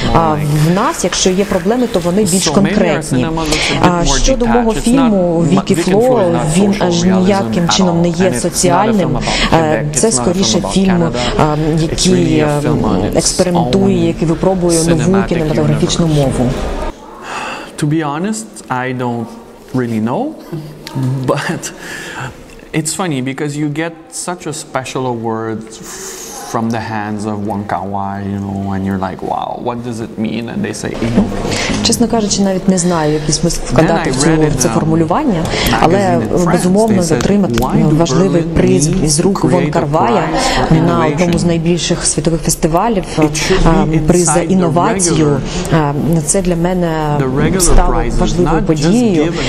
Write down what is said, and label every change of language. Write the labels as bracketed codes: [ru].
[uk] А в нас, якщо є проблеми, то вони більш конкретні. Щодо мого фільму «Вікі Фло», він аж ніяким чином не є соціальним. Це, скоріше, фільм, який експериментує, який випробує нову кінематографічну мову. [en] To be honest, I don't really know, but it's funny because you get such a special award from the hands of Wong Kar-wai, you know, and you're like, wow, what does it mean? And they say, [uk] чесно кажучи, навіть не знаю, який смисл вкладати в це формулювання, але безумовно, отримати важливий приз із рук Вонг Кар-вая на одному з найбільших світових фестивалів, приз за інновацію, це для мене стало важливою подією.